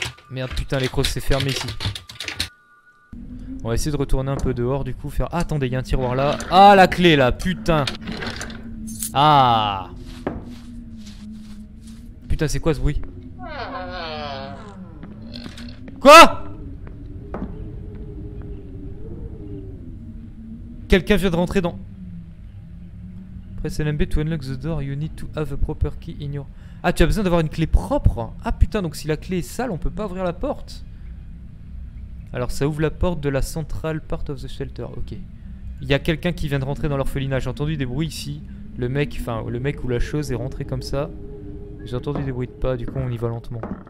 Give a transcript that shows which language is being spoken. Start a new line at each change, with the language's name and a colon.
French: Merde, putain, les crosses, c'est fermé ici. On va essayer de retourner un peu dehors, du coup, faire... Ah, attendez, il y a un tiroir là. Ah, la clé, là, putain. Ah! Putain, c'est quoi ce bruit? Quoi? Quelqu'un vient de rentrer dans.
English: Press LMB to unlock the door, you need to have a proper key in your.
French: Ah, tu as besoin d'avoir une clé propre? Ah putain, donc si la clé est sale, on peut pas ouvrir la porte. Alors ça ouvre la porte de la centrale
English: part of the shelter, ok.
French: Il y a quelqu'un qui vient de rentrer dans l'orphelinat, j'ai entendu des bruits ici. Le mec ou la chose est rentré comme ça. J'ai entendu des bruits de pas, du coup on y va lentement.